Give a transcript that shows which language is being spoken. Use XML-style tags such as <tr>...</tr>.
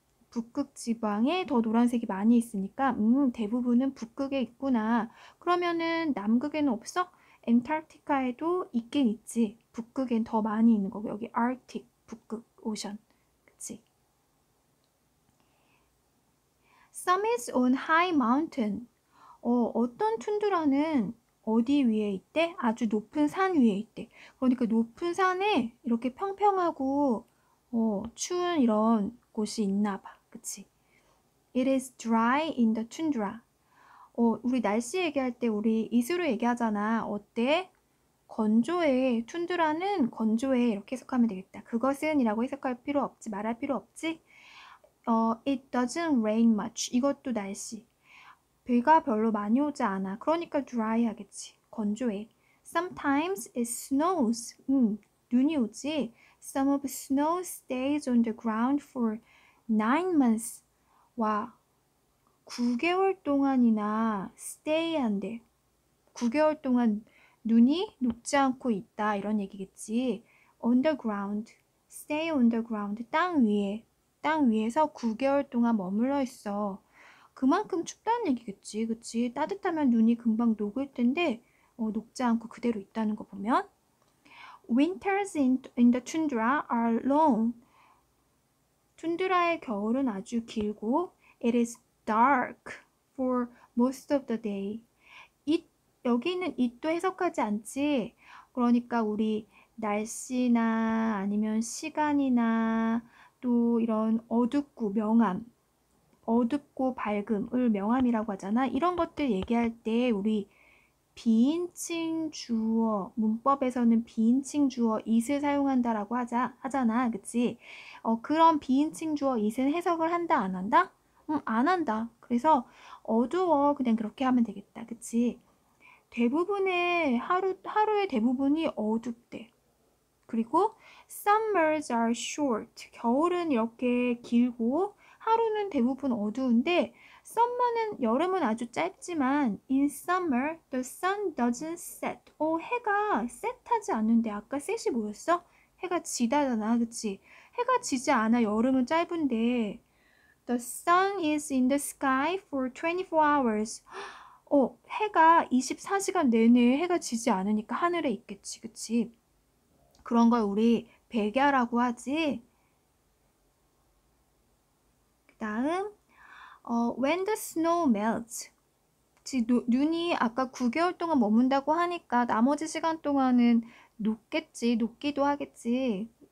<ko>북극 지방에 더 노란색이 많이 있으니까 대부분은 북극에 있구나. 그러면은 남극에는 없어? 엔탈티카에도 있긴 있지. 북극엔 더 많이 있는 거고 여기 아르틱 북극 오션. 그치?</ko> <en>Summits on high mountain.</en> <ko>어떤 툰드라는 어디 위에 있대? 아주 높은 산 위에 있대. 그러니까 높은 산에 이렇게 평평하고 추운 이런 곳이 있나 봐. 그치?</ko> <en>It is dry in the tundra.</en> <ko>우리 날씨 얘기할 때 우리 이슬로 얘기하잖아. 어때? 건조해. 툰드라는 건조해. 이렇게 해석하면 되겠다. 그것은 이라고 해석할 필요 없지. 말할 필요 없지.</ko> <en>It doesn't rain much.</en> <ko>이것도 날씨. 비가 별로 많이 오지 않아. 그러니까 dry 하겠지. 건조해.</ko> <en>Sometimes it snows.</en> <ko>눈이 오지.</ko> <en>Some of the snow stays on the ground for 9 months.</en> <ko>와, 9개월 동안이나 stay 한대. 9개월 동안 눈이 녹지 않고 있다. 이런 얘기겠지.</ko> <en>On the ground. Stay on the ground.</en> <ko>땅 위에. 땅 위에서 9개월 동안 머물러 있어. 그만큼 춥다는 얘기겠지. 그치? 따뜻하면 눈이 금방 녹을 텐데, 녹지 않고 그대로 있다는 거 보면.</ko> <en>Winters in the tundra are long.</en> <ko>툰드라의 겨울은 아주 길고,</ko> <en>it is dark for most of the day.</en> <ko>여기는 it도 해석하지 않지. 그러니까 우리 날씨나 아니면 시간이나 또 이런 어둡고 명암, 어둡고 밝음을 명암이라고 하잖아. 이런 것들 얘기할 때 우리 비인칭 주어, 문법에서는 비인칭 주어 it을 사용한다라고 하잖아. 그치? 그런 비인칭 주어 it은 해석을 한다, 안 한다? 안 한다. 그래서 어두워. 그냥 그렇게 하면 되겠다. 그치? 대부분의 하루의 대부분이 어둡대. 그리고</ko> <en>summers are short.</en> <ko>겨울은 이렇게 길고 하루는 대부분 어두운데 summer는 여름은 아주 짧지만</ko> <en>in summer the sun doesn't set.</en> <ko>해가 set하지 않는데 아까 set이 뭐였어? 해가 지다잖아, 그치? 해가 지지 않아. 여름은 짧은데</ko> <en>the sun is in the sky for 24 hours.</en> <ko>해가 24시간 내내 해가 지지 않으니까 하늘에 있겠지, 그치? 그런 걸 우리 백야라고 하지. 그다음,</ko> <en>when the snow melts,</en> <ko>지 눈이 아까 9개월 동안 머문다고 하니까 나머지 시간 동안은 녹겠지, 녹기도 하겠지.</ko>